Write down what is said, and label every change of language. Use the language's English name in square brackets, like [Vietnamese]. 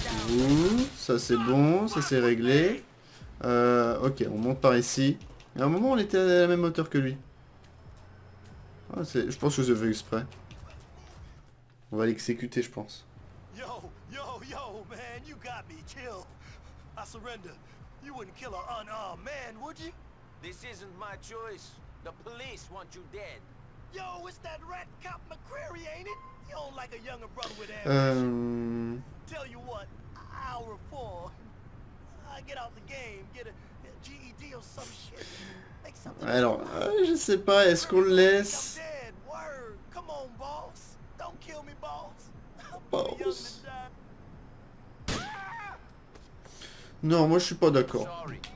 [French] Ouh, ça c'est bon, ça c'est réglé. Ok, on monte par ici. Et à un moment, on était à la même hauteur que lui. Oh, je pense que c'est fait exprès. On va l'exécuter, je pense. [English] Yo, man, you got me, chill. I surrender. You wouldn't kill an unarmed man, would you? This isn't my choice. The police want you dead. Yo, it's that rat cop McCreary, ain't it? You don't like a younger brother with ass. Tell you what, I'll reform. I get out the game, get a GED or some shit. Make something. [French] Alors, je sais pas, est-ce qu'on le laisse? [English] I'm dead. Word. Come on, boss. Don't kill me, boss. Boss. [French] Non, moi je suis pas d'accord.